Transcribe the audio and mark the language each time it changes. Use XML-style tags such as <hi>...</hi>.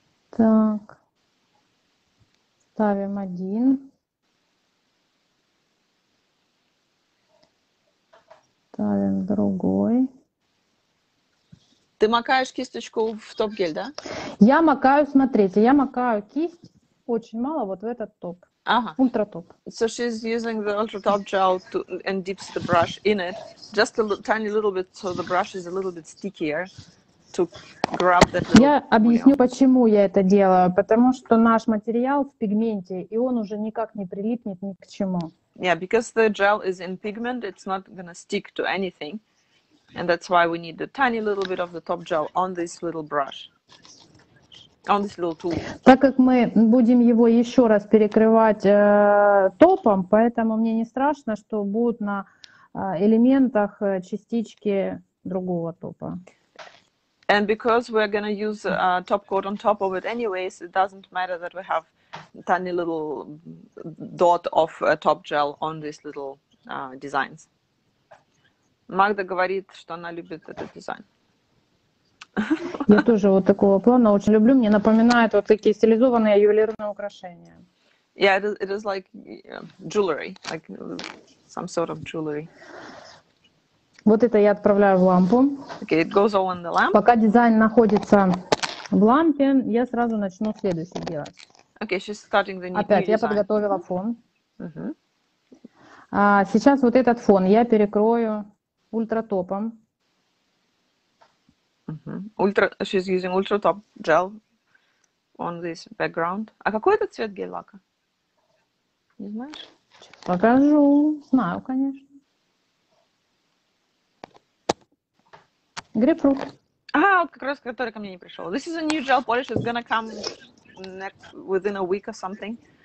<ru>Так. Ставим один. Ставим другой. Ты макаешь кисточку в топ-гель, да? Я макаю, смотрите, я макаю кисть очень мало вот в этот топ. Ага. Ультратоп.</ru> <en>So she's using the ultratop gel to and dips the brush in it just a tiny little bit, so the brush is a little bit stickier.</en> <ru>Я объясню, почему я это делаю. Потому что наш материал в пигменте, и он уже никак не прилипнет ни к чему.</ru> <en>Yeah, because the gel is in pigment, it's not gonna stick to anything. And that's why we need a tiny little bit of the top gel on this little brush. On this little tool.</en> <ru>Так как мы будем его еще раз перекрывать топом, поэтому мне не страшно, что будут на элементах частички другого топа.</ru> <en>And because we're going to use a top coat on top of it anyways, it doesn't matter that we have a tiny little dot of a top gel on these little designs.</en> <ru>Magda говорит, что она любит этот дизайн. Я тоже вот такого плана очень люблю. Мне напоминает вот такие стилизованные ювелирные украшения.</ru> <en>Yeah, it is like jewelry, like some sort of jewelry.</en> <ru>Вот это я отправляю в лампу.</ru> <en>Okay, it goes all in the lamp.</en> <ru>Пока дизайн находится в лампе, я сразу начну следующее делать.</ru> <en>Okay, she's starting the new design.</en> <ru>Опять я подготовила фон. Uh-huh. А сейчас вот этот фон я перекрою ультратопом.</ru> <en>Uh-huh. She's using ultratop gel on this background.</en> <ru>А какой это цвет гель-лака? Не знаешь? Покажу. Знаю, конечно. Грейпфрут. А, вот как раз который ко мне не пришел.</ru> <en>This is a new gel polish. It's gonna come next, within a week or something.</en>